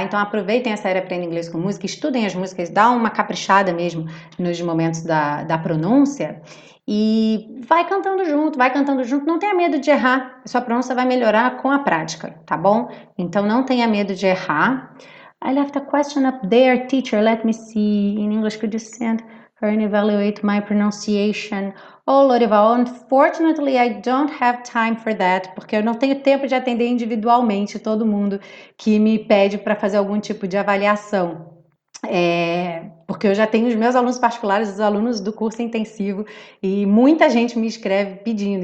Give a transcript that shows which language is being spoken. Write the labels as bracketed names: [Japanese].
[Portuguese] Então aproveitem a série Aprenda Inglês com Música, estudem as músicas, dá uma caprichada mesmo nos momentos da pronúncia e vai cantando junto, não tenha medo de errar, sua pronúncia vai melhorar com a prática, tá bom? Então não tenha medo de errar. [English] I left a question up there, teacher, let me see. In English, could you send her and evaluate my pronunciation? Oh, Lorival, unfortunately, I don't have time for that, [Portuguese] porque eu não tenho tempo de atender individualmente todo mundo que me pede para fazer algum tipo de avaliação. Porque eu já tenho os meus alunos particulares, os alunos do curso intensivo, e muita gente me escreve pedindo.